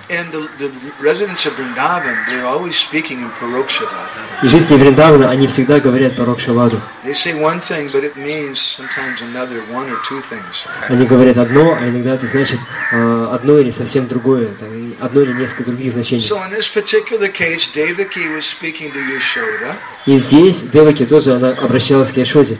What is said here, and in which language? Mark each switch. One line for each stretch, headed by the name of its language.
English: And the residents of Vrindavan, they're always speaking in Parokshavada.
Russian: И жители Вриндавана, они всегда говорят Парокшаваду.
English: They say one thing, but it means sometimes another, one or two things.
Russian: Они говорят одно, а иногда это значит одно или совсем другое, одно или несколько других значений.
English: So in this particular case, Devaki was speaking to Yashoda.
Russian: И здесь Девики тоже она обращалась к Яшоде.